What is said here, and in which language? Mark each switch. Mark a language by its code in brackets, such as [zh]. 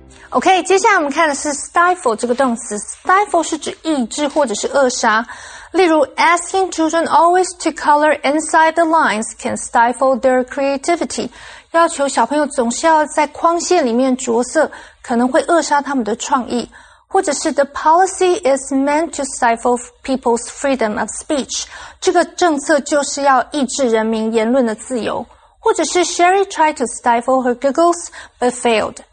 [zh] Okay, 接下来我们看的是 stifle 这个动词。Stifle 是指抑制或者是扼杀。例如 [en] ,asking children always to color inside the lines can stifle their creativity. [zh] 要求小朋友总是要在框线里面着色可能会扼杀他们的创意。或者是 [en] the policy is meant to stifle people's freedom of speech. [zh] 这个政策就是要抑制人民言论的自由。或者是 [en] Sherry tried to stifle her giggles, but failed.